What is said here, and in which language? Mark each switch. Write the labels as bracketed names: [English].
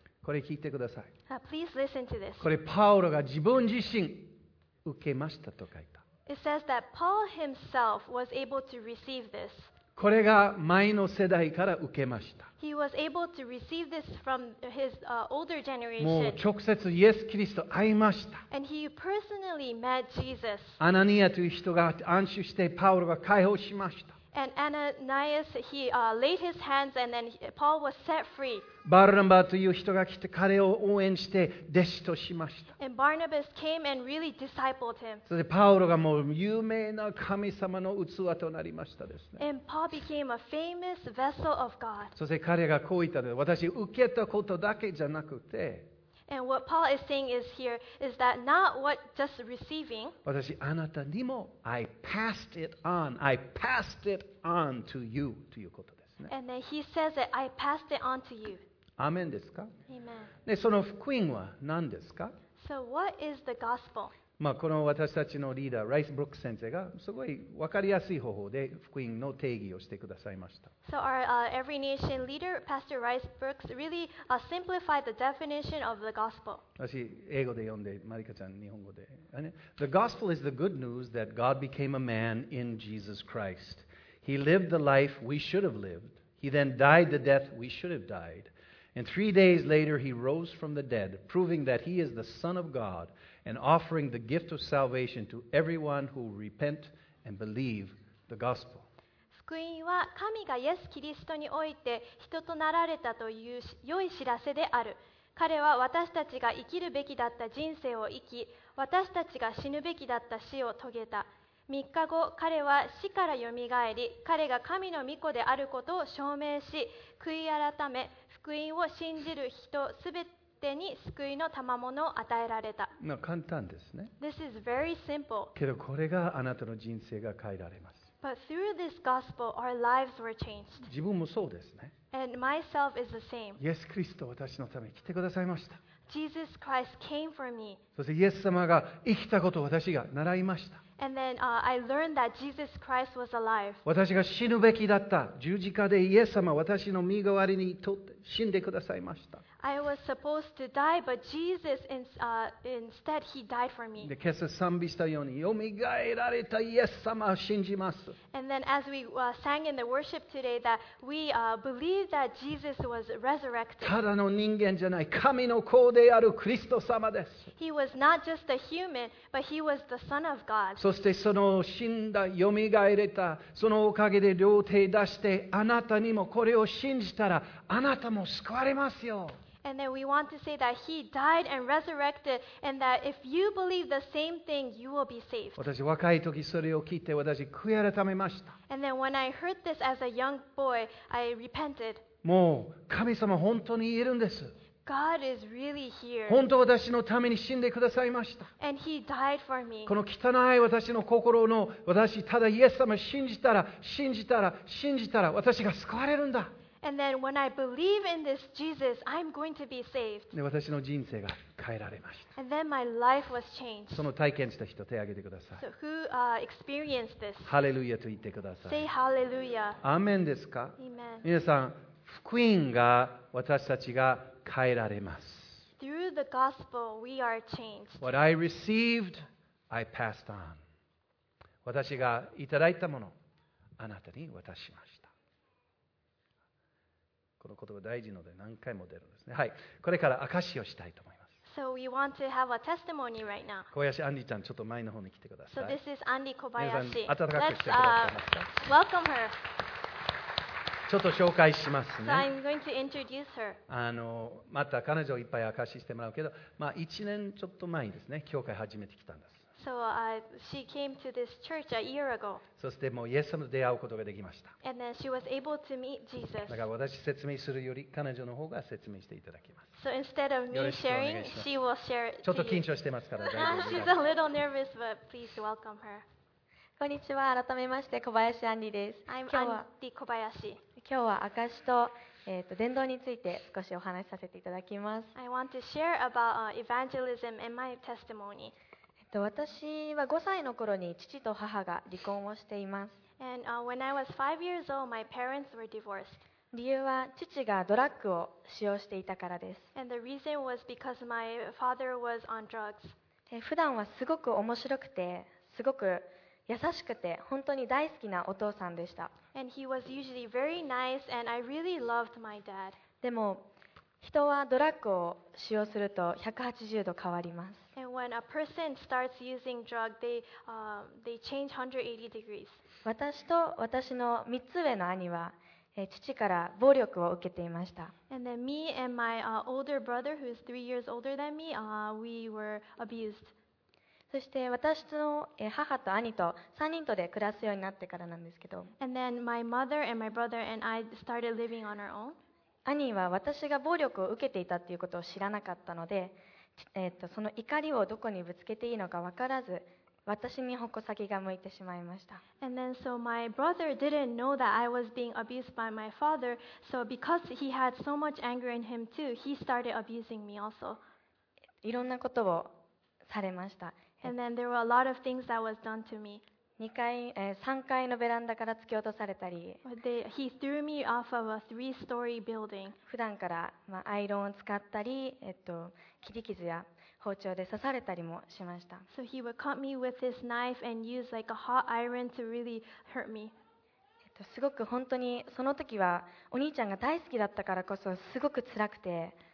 [Japanese] これ聞いてください。 [English] Please listen to this. [Japanese] これパウロが自分自身受けましたと書いた。 [English] It says that Paul himself was able to receive this. [Japanese] これが前の世代から受けました。 [English] He was able to receive this from his older generation. [Japanese] もう直接イエス・キリスト会いました。 [English] And he personally met Jesus. [Japanese] アナニアという人が暗示してパウロが解放しました。 [English] And Ananias, he laid his hands and then Paul was set free. [Japanese] バルナバという人が来て彼を応援して弟子としました。 [English] And Barnabas came and really discipled him. [Japanese] それでパウロがもう有名な神様の器となりましたですね。 [English] And Paul became a famous vessel of God. [Japanese] そして彼がこう言ったんです。私受けたことだけじゃなくて、 [English] And what Paul is saying is here is that not what just receiving. [Japanese] 私あなたにも [English] I passed it on. I passed it on to you [Japanese] ということですね。 [English] And then he says that I passed it on to you. [Japanese] アメンですか？ [English] Amen. [Japanese] でその福音は何ですか？ [English] So what is the gospel? [Japanese] まあこの私たちのリーダー、ライス・ブロック先生がすごい分かりやすい方法で福音の定義をしてくださいました。 [English] So our Every Nation leader, Pastor Rice Brooks, really simplified the definition of the gospel. [Japanese] 私、英語で読んで、マリカちゃん、日本語で。 [English] The gospel is the good news that God became a man in Jesus Christ. He lived the life we should have lived. He then died the death we should have died. And 3 days later, he rose from the dead, proving that he is the Son of God. And offering the gift of salvation to everyone who repent and believe the gospel. [Japanese] 福音は神がイエス・キリストにおいて人となられたという良い知らせである。彼は私たちが生きるべきだった人生を生き、私たちが死ぬべきだった死を遂げた。 3日後、彼は死からよみがえり、彼が神の御子であることを証明し、悔い改め、福音を信じる人すべてに救いの賜物を与えられた。まあ、簡単ですね。 [English] This is very simple. [Japanese] けどこれがあなたの人生が変えられます。 [English] But through this gospel, our lives were changed. [Japanese] 自分もそうですね。 [English] And myself is the same. [Japanese] イエス・キリスト私のために来てくださいました。 [English] Jesus Christ came for me. [Japanese] そしてイエス様が生きたことを私が習いました。 [English] And then, I learned that Jesus Christ was alive. [Japanese] 私が死ぬべきだった。十字架でイエス様、私の身代わりにとって死んでくださいました。 [English] I was supposed to die, but Jesus instead he died for me. [Japanese] で、今朝賛美したように、よみがえられたイエス様を信じます。 [English] And then as we sang in the worship today, that we believe that Jesus was resurrected. [Japanese] ただの人間じゃない、神の子であるクリスト様です。 [English] He was not just a human, but he was the Son of God. [Japanese] そしてその死んだ、よみがえれた、そのおかげで両手出して、あなたにもこれを信じたら、あなたも救われますよ。 [English] And then we want to say that he died and resurrected, and that if you believe the same thing, you will be saved. [Japanese] 私若い時それを聞いて私悔い改めました。 [English] And then when I heard this as a young boy, I repented. [Japanese] もう神様本当にいるんです。 [English] God is really here. [Japanese] 本当私のために死んでくださいました。 [English] And he died for me. [Japanese] この汚い私の心の私ただイエス様信じたら信じたら信じたら私が救われるんだ。 [English] And then when I believe in this Jesus, I'm going to be saved. [Japanese] で、私の人生が変えられました。 [English] And then my life was changed. [Japanese] その体験した人、手を挙げてください。 [English] So who experienced this? [Japanese] ハレルヤと言ってください。 [English] Say hallelujah. [Japanese] アーメンですか？ [English] Amen. [Japanese] 皆さん、福音が私たちが変えられます。 [English] Through the gospel, we are changed. What I received, I passed on. [Japanese] 私がいただいたもの、あなたに渡しました。この言葉大事ので何回も出るんですね。はい、これから証しをしたいと思います。 [English] So we want to have a testimony right now. [Japanese] 小林アンディちゃん、ちょっと前の方に来てください。 [English] So this is Andy Kobayashi. [Japanese] 皆さん、温かくしてくださいますか。 [English] Let's welcome her. [Japanese] ちょっと紹介しますね。 [English] So I'm going to introduce her. [Japanese] また彼女をいっぱい証ししてもらうけど、まあ1年ちょっと前ですね、教会始めてきたんです。 [English] So she came to this church a year ago. [Japanese] そしてもうイエス様と出会うことができました。 [English] And then she was able to meet Jesus. [Japanese] だから私説明するより彼女の方が説明していただきます。 [English] So instead of me sharing, she will share. [Japanese] ちょっと緊張してますから。 [English] She's a little nervous, but please welcome her. [Japanese] こんにちは、改めまして小林アンディです。 [English] I'm Andy Kobayashi. [Japanese] 今日は証しと伝道について少しお話しさせていただきます。 [English] I want to share about evangelism and my testimony. [Japanese] 私は5歳の頃に父と母が離婚をしています。 [English] And, when I was 5 years old, my parents were divorced. [Japanese] 理由は父がドラッグを使用していたからです。 [English] And the reason was because my father was on drugs. [Japanese] 普段はすごく面白くて、すごく優しくて、本当に大好きなお父さんでした。 [English] And he was usually very nice, and I really loved my dad. [Japanese] でも人はドラッグを使用すると180度変わります。 [English] And when a person starts using drug, they change 180 degrees. [Japanese] 私と私の3つ上の兄は父から暴力を受けていました。 [English] And then me and my older brother, who is 3 years older than me, we were abused. [Japanese] そして私の母と兄と3人とで暮らすようになってからなんですけど。 [English] And then my mother and my brother and I started living on our own. [Japanese] 兄は私が暴力を受けていたということを知らなかったので、その怒りをどこにぶつけていいのか分からず、私に矛先が向いてしまいました。 [English] And then, so my brother didn't know that I was being abused by my father, so because he had so much anger in him too, he started abusing me also. [Japanese] いろんなことをされました。 [English] And then there were a lot of things that was done to me. [Japanese] 3階のベランダから突き落とされたり、 [English] He threw me off of a three-story building. [Japanese] 普段からアイロンを使ったり、切り傷や包丁で刺されたりもしました。 [English] So he would cut me with his knife and use like a hot iron to really hurt me. [Japanese] すごく本当にその時はお兄ちゃんが大好きだったからこそすごく辛くて、